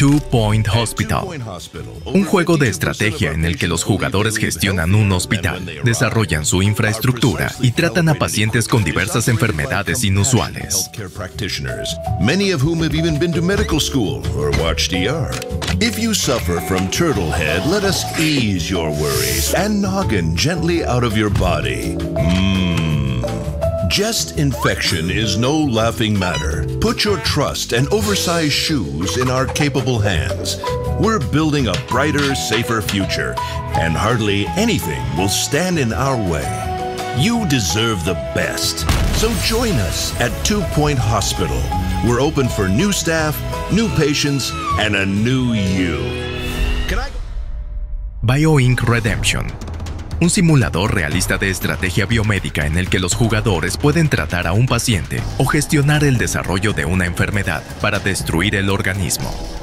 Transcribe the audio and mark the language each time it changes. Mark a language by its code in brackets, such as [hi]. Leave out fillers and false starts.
[es] Point Hospital, un juego de estrategia en el que los jugadores gestionan un hospital, desarrollan su infraestructura y tratan a pacientes con diversas enfermedades inusuales. [en] Many of whom have even been to medical school or watched ER. If you suffer from turtle head, let us ease your worries and noggin gently out of your body. Jest infection is no laughing matter. Put your trust and oversized shoes in our capable hands. We're building a brighter, safer future, and hardly anything will stand in our way. You deserve the best. So join us at Two Point Hospital. We're open for new staff, new patients, and a new you. Can I? BioInk Redemption. [es] Un simulador realista de estrategia biomédica en el que los jugadores pueden tratar a un paciente o gestionar el desarrollo de una enfermedad para destruir el organismo.